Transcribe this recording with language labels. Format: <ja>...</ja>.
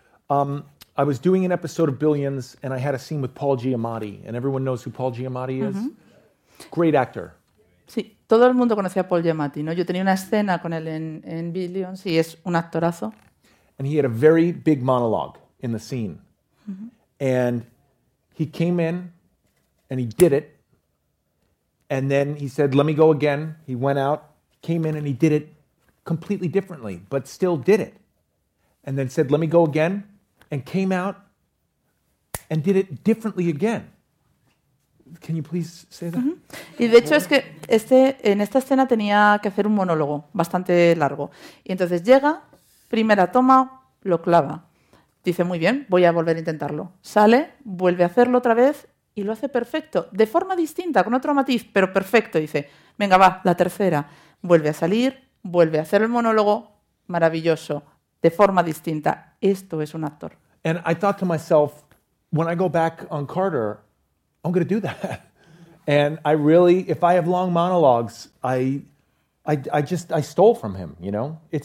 <en>I was doing an episode of Billions and I had a scene with Paul Giamatti, and everyone knows who Paul Giamatti is. Uh-huh. Great actor.</en> <es>Sí, todo el mundo conocía a Paul Giamatti, ¿no? Yo tenía una escena con él en Billions y es un actorazo.</es> <en>And he had a very big monologue in the scene. Mm-hmm. And he came in and he did it. And then he said, "Let me go again." He went out, came in and he did it completely differently, but still did it. And then said, "Let me go again," and came out and did it differently again. Can you please say that? Mm-hmm.</en> <es>Y de hecho es que en esta escena tenía que hacer un monólogo bastante largo. Y entonces llega, primera toma, lo clava. Dice, muy bien, voy a volver a intentarlo. Sale, vuelve a hacerlo otra vez y lo hace perfecto. De forma distinta, con otro matiz, pero perfecto. Dice, venga, va, la tercera. Vuelve a salir, vuelve a hacer el monólogo. Maravilloso, de forma distinta. Esto es un actor.</es> <en>And I thought to myself, when I go back on Carter, I'm going to do that. And I really, if I have long monologues, I stole from him, you know?</en>